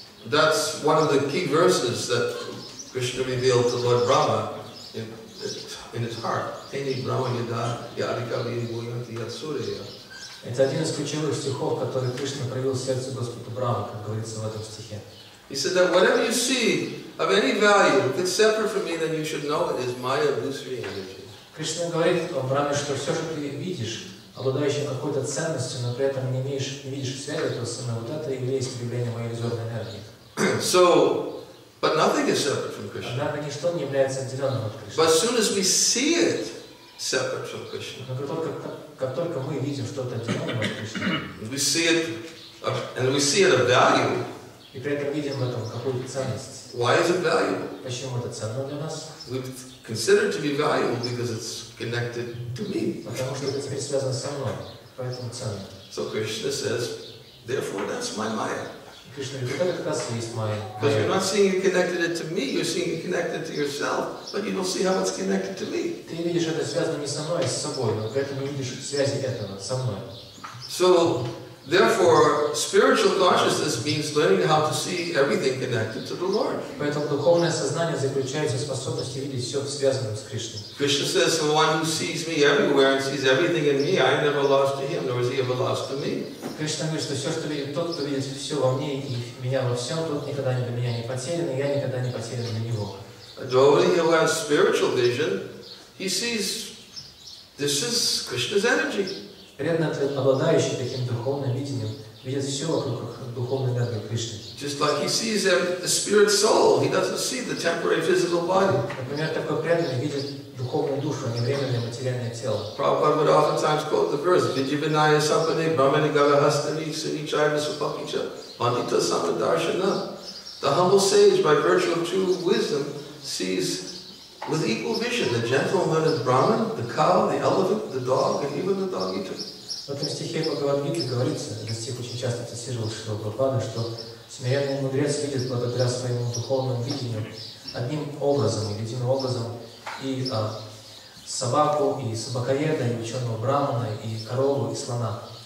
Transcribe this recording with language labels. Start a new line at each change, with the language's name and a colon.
English: That's one of the key verses that Krishna revealed to Lord Brahma in his heart.
Sanskrit: Tene Brahma yada yadika vibhuyanti yatsurya.
Russian: Это один из ключевых стихов, который Кришна проявил в сердце Господа Брама, как говорится в этом стихе.
English: He said that whatever you see of any value that's separate from me, then you should know it is my illusory energy.
Russian: Кришна говорит о Браме, что все, что ты видишь, обладающее какой-то ценностью, но при этом не видишь связи этого со мной, вот это и есть проявление моей иллюзорной энергии.
English: So, but nothing is separate from Krishna.
Russian: Однако ничто не является отделенным от Кришны.
English: But as soon as we see it separate from Krishna.
Russian: Но как только мы видим что-то отделенное от Кришны.
English: And we see it of value.
Russian: И при этом видим в этом какую-то ценность.
English: Why is it valuable?
Russian: Почему это ценно для нас?
English: We've considered to be valuable because it's connected to me.
Russian: Потому что это теперь связано со мной, поэтому ценно.
English: So Krishna says, therefore that's my Maya.
Russian: Кришна говорит, это как раз и есть Maya.
English: Because you're not seeing it connected to me, you're seeing it connected to yourself, but you don't see how it's connected to me.
Russian: Ты видишь это связано не со мной, а с собой, но при этом не видишь связи этого со мной.
English: So, therefore, spiritual consciousness means learning how to see everything connected to the Lord.
Russian: Поэтому духовное сознание заключается в способности видеть все связанным с Кришной.
English: Krishna says, the one who sees me everywhere and sees everything in me, I am never lost to him, nor is he ever lost to me.
Russian: Кришна говорит, что все, что видит тот, кто видит все во мне и меня во всем, тот никогда не для меня не потерян, и я никогда не потерян для него.
English: A devotee who has spiritual vision, he sees this is Krishna's energy.
Russian: Преданный, обладающий таким духовным видением, видит все вокруг духовной энергии Кришны.
English: Just like he sees the spirit soul, he doesn't see the temporary physical body.
Russian: Например, такой преданный видит духовную душу, а не временное материальное тело.
English: Prabhupada would oftentimes quote the verse:
Sanskrit: "Vidyavinaya sampane brahmani gavahastani suni chaiva supakicha pandita samadarshana."
English: The humble sage, by virtue of true wisdom, sees with equal vision, the gentle-hearted Brahman, the cow, the elephant, the dog, and even the dog eater.
Russian: В этом стихе Бхагавад-гиты говорится, этот стих очень часто цитировал Шрила Прабхупада, что смиренный мудрец видит благодаря своему духовному видению одним образом, единым образом и собаку, и собакоеда, и ученого Брахмана, и корову, и слона.